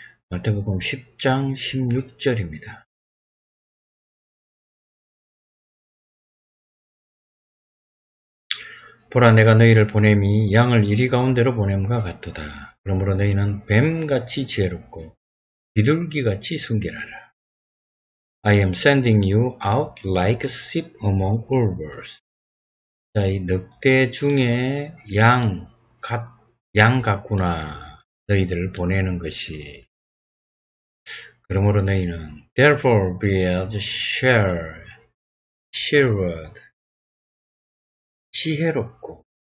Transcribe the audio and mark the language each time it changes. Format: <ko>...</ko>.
<ko>마태복음 10장 16절입니다. 보라, 내가 너희를 보냄이 양을 이리 가운데로 보냄과 같도다. 그러므로 너희는 뱀같이 지혜롭고 비둘기같이 순결하라.</ko> <en>I am sending you out like a sheep among wolves.</en> <ko>자, 이 늑대 중에 양 같구나. 너희들을 보내는 것이. 그러므로 너희는</ko> <en>therefore be as shepherd.</en> <ko>지혜롭고.</ko>